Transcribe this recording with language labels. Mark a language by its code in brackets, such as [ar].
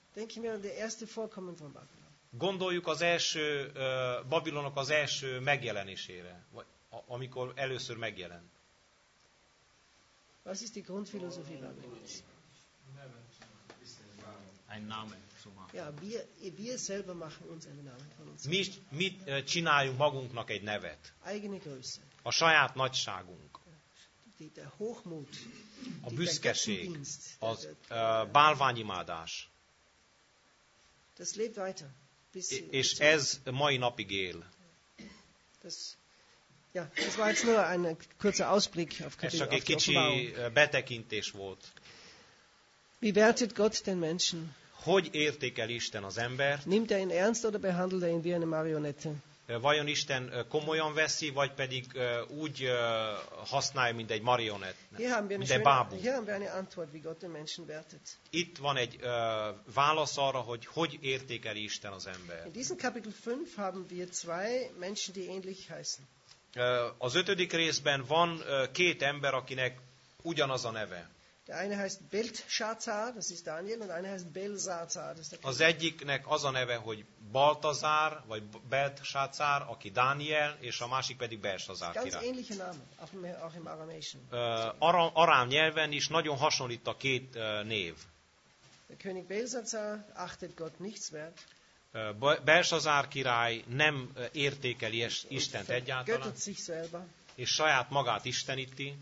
[de] Denken wir an die erste Vorkommen von Babylon. [hu] Gondoljuk az első Babylonnak az első megjelenésére, amikor először megjelent. [de] Was ist die Grundphilosophie Babylons? Ein Name zu machen. Ja, wir selber machen uns einen Namen von uns. [hu] Mit csináljunk magunknak egy nevet. [de] Eigene Größe. [hu] A saját nagyságunk. [de] Der Hochmut. [hu] A büszkeség. Az bálványimádás. [de] Das lebt weiter. [hu] És ez mai napig él. [de] Ja, das war jetzt nur ein kurzer Ausblick auf Kapitel 8. [hu] Ez csak egy kicsi betekintés volt. [de] Wie wertet Gott den Menschen? [hu] Hogy értékel Isten az embert? [de] Nimmt er ihn ernst oder behandelt er ihn wie eine Marionette? [hu] Vajon Isten komolyan veszi, vagy pedig úgy használja, mint egy marionett, mint egy bábú? [de] Hier haben wir eine Antwort, wie Gott den Menschen wertet. [hu] Itt van egy válasz arra, hogy hogy értékel Isten az embert. [de] In diesem Kapitel 5 haben wir zwei Menschen, die ähnlich heißen. [hu] Az ötödik részben van két ember, akinek ugyanaz a neve. [de] Der eine heißt Belshazzar, das ist Daniel, und der andere heißt Belsazar. [hu] Az egyiknek az a neve, hogy Baltazar, vagy Belshazzar, aki Daniel, és a másik pedig Belshazzar király. [de] Ganz ähnliche Name, auch im Aramäischen. [hu] Arám nyelven is nagyon hasonlít a két név. [de] Der König Belsazar achtet Gott nichts wert. [hu] Belshazzar király nem értékeli Istent egyáltalán, és saját magát isteníti.